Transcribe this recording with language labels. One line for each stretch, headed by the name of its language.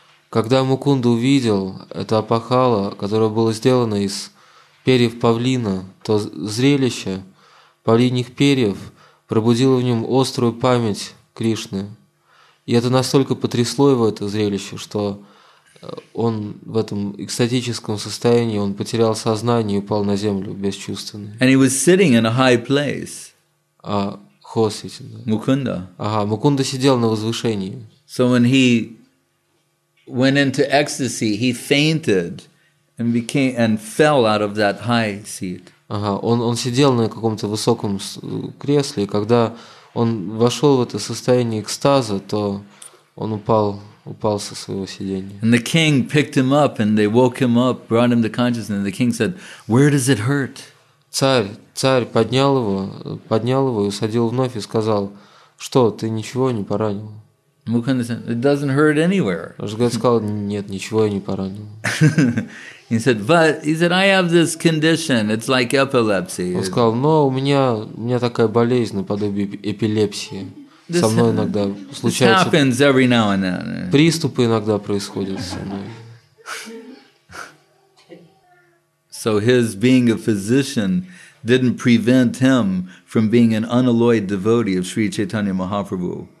Russian: Когда Мукунда увидел это апахала, которое было сделано из перьев павлина, то зрелище павлиньих перьев пробудило в нем острую память Кришны. И это настолько потрясло его, это зрелище, что он в этом экстатическом состоянии, он потерял сознание и упал на землю бесчувственный.
English: And he was sitting in a high place.
Russian: А Хосит, да. Мукунда. Ага, Мукунда сидел на возвышении.
English: So when he went into ecstasy, he fainted and became and fell out of that high seat.
Russian: Ага, он сидел на каком-то высоком кресле, и когда он вошел в это состояние экстаза, то он упал со своего сиденья.
English: And the king picked him up, and they woke him up, brought him to consciousness, and the king said, "Where does it hurt?"
Russian: Царь поднял его и усадил вновь и сказал, что ты ничего не поранил.
English: Mukunda said, "It doesn't hurt anywhere."
Russian: Ажгад сказал, нет, ничего я не поранил.
English: He said, "But he said I have this condition. It's like epilepsy."
Russian: Он сказал, но у меня такая болезнь наподобие эпилепсии. Со мной иногда случается.
English: This happens every now and then.
Russian: Приступы иногда происходят со мной.
English: So his being a physician didn't prevent him from being an unalloyed devotee of Sri Chaitanya Mahaprabhu.